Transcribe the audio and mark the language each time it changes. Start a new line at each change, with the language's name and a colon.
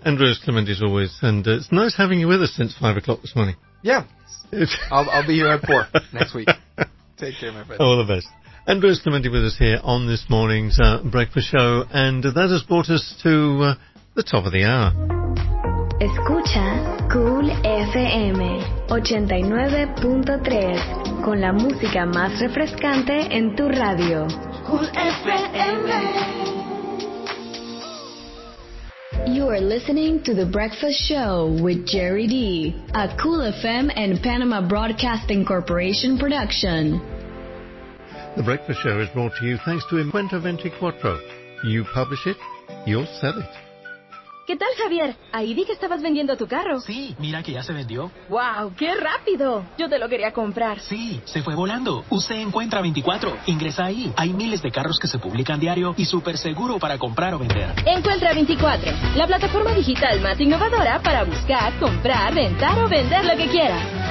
English: Andreas Clement, as always. And it's nice having you with us since 5 o'clock this morning. Yeah. I'll be here at 4 next week. Take care, my friend. All the best. Andreas Clement with us here on this morning's breakfast show. And that has brought us to the top of the hour.
Spanish: Escucha Cool FM 89.3 con la música más refrescante en tu radio. Cool FM.
English: You are listening to The Breakfast Show with Jerry D, a Cool FM and Panama Broadcasting Corporation production. The Breakfast Show is brought to you thanks to Encuentro 24. You publish it, you'll sell it.
Spanish: ¿Qué tal, Javier? Ahí vi que estabas vendiendo tu carro. Sí, mira que ya se vendió. ¡Wow! ¡Qué rápido! Yo te lo quería comprar. Sí, se fue volando. Usé Encuentra 24. Ingresa ahí. Hay miles de carros que se publican diario y súper seguro para comprar o vender. Encuentra 24, la plataforma digital más innovadora para buscar, comprar, rentar o vender lo que quieras.